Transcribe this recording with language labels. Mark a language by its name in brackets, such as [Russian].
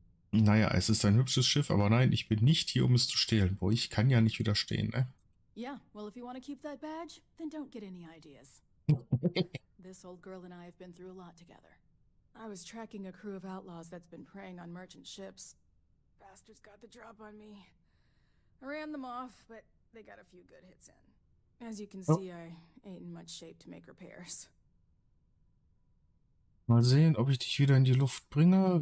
[German] Naja, es ist ein hübsches Schiff, aber nein, ich bin nicht hier, um es zu stehlen. Boah, ich kann ja nicht widerstehen, ne? [English] Yeah, well, if you want to keep that badge, then don't get any ideas. This old girl and I have been through a lot together. I was tracking a crew of outlaws that's been preying on merchant ships. Bastards got the drop on me. I ran them off, but they got a few good hits in. As you can see, I ain't in much shape to make repairs. [German] Mal sehen, ob ich dich wieder in die Luft bringe.